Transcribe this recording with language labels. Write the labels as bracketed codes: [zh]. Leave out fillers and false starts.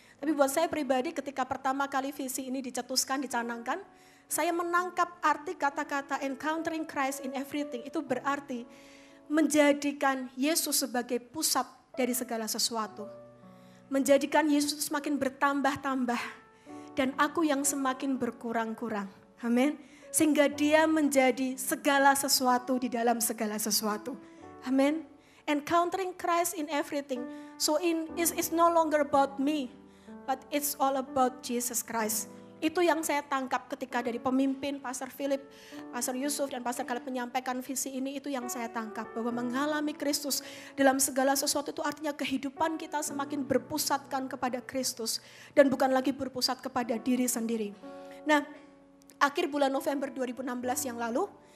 [id] Tapi buat saya pribadi ketika pertama kali visi ini dicetuskan, dicanangkan, saya menangkap arti kata-kata [en] encountering Christ in everything [id] itu berarti menjadikan Yesus sebagai pusat dari segala sesuatu. Menjadikan Yesus semakin bertambah-tambah. Dan aku yang semakin berkurang-kurang. Amin. Sehingga dia menjadi segala sesuatu di dalam segala sesuatu. [en] Amin. Encountering Christ in everything. So it's no longer about me, but it's all about Jesus Christ. [id] Itu yang saya tangkap ketika dari pemimpin Pastor Philip, Pastor Yusuf, dan Pastor Caleb menyampaikan visi ini. Itu yang saya tangkap. Bahwa mengalami Kristus dalam segala sesuatu itu artinya kehidupan kita semakin berpusatkan kepada Kristus. Dan bukan lagi berpusat kepada diri sendiri. Nah, akhir bulan November 2016 yang lalu,